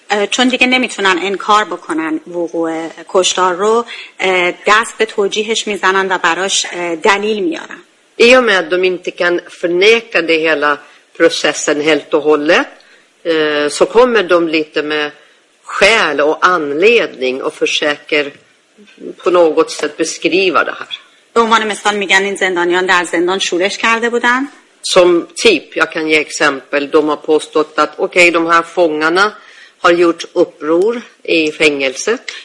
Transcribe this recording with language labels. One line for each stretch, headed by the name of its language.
Persian: چون دیگه نمیتونن انکار بکنن وقوع کشتار رو، دست به توجیهش میزنن و براش دلیل میارن.
Swedish: I och med att de inte kan förneka det hela processen helt och hållet så kommer de lite med skäl och anledning och försöker på något sätt beskriva det här. Om man mestan
Persian: میگن این زندانیان در زندان شورش کرده بودن.
Swedish: Som typ, jag kan ge exempel, de har påstått att okej, de här fångarna har gjort uppror i fängelset.